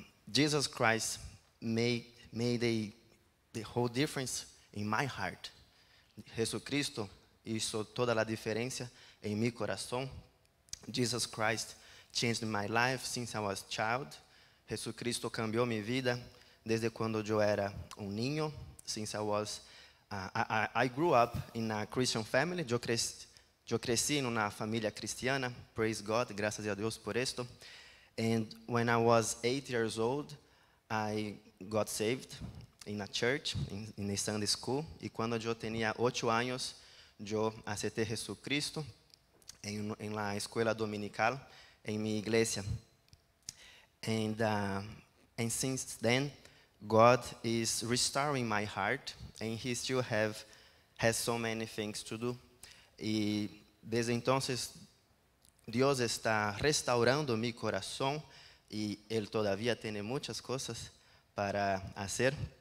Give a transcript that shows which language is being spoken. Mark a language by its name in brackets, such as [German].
[English] Jesus Christ made the whole difference in my heart. [Spanish] Jesucristo hizo toda la diferencia en mi corazón. [English] Jesus Christ changed my life since I was a child. [Spanish] Jesucristo cambió mi vida desde cuando yo era un niño. [English] Since I was, I grew up in a Christian family. [Spanish] Yo crecí en una familia cristiana. [English] Praise God, [Spanish] gracias a Dios por esto. [English] And when I was 8 years old, I got saved in a church, in a Sunday school. [Spanish] Y cuando yo tenía 8 años, yo acepté a Jesucristo en la escuela dominical, en mi iglesia. [English] And since then, God is restoring my heart, and He still has so many things to do. [Spanish] Y desde entonces, Dios está restaurando mi corazón, y Él todavía tiene muchas cosas para hacer.